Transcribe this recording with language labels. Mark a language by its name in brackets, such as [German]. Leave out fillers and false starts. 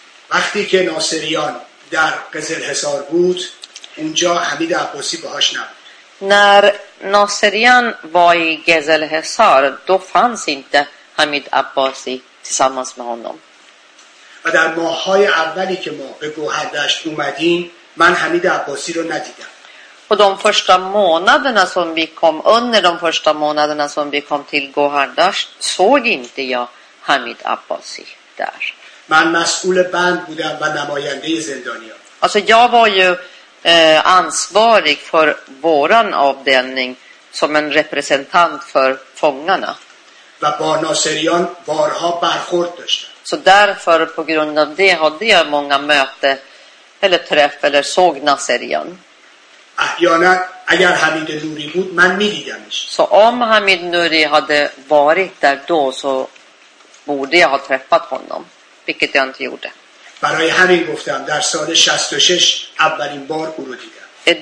[Persian] وقتی که ناصریان در قزل حصار بود اونجا حمید عباسی باهاش نبود. [Swedish] När ناصریان var i Qezer Hisar då fanns inte Hamid Abbasi tillsammans med honom. [Persian] و در ماه‌های اولی که ما به Guardasht اومدیم من حمید عباسی رو ندیدم. [Swedish] Och de första månaderna som vi kom, under de första månaderna som vi kom till Guardasht, såg inte jag Hamid Abbasi där. [Persian] Man مسئول بند بودم و نماینده زندانیان. [Swedish] Alltså jag var ju ansvarig för våran avdelning som en representant för fångarna. [Persian] و با ناصریان بارها برخورد داشتم. [Swedish] Så därför på grund av det hade jag många möte eller träff eller såg ناصریان. [Persian] احیانا اگر حمید نوری بود من میدیدمش. [Swedish] سو ام حمید نوری hade varit där då så borde jag ha träffat honom, vilket jag inte gjorde. [Persian] برای همین گفتم در سال 66 اولین بار او رو دیدم.